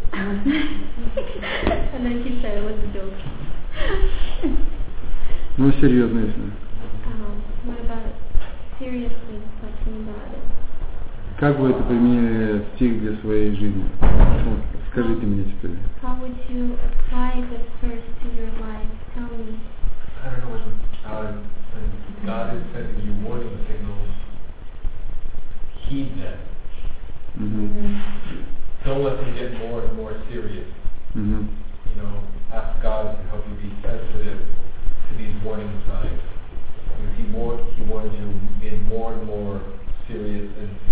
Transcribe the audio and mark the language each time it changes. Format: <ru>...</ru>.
<en>And then he said, it was a joke.</en> <ru>Ну, серьезно, если...</ru> <en>What about seriously talking about it?</en> <ru>Как вы это применили в стих для своей жизни? Скажите мне теперь.</ru> <en>How would you apply this verse to your life? Tell me. I don't know. God is sending you warning signals. Heed them. Don't let them get more and more serious. You know, ask God to help you be sensitive to these warning signs. He warns you in more and more serious and</en>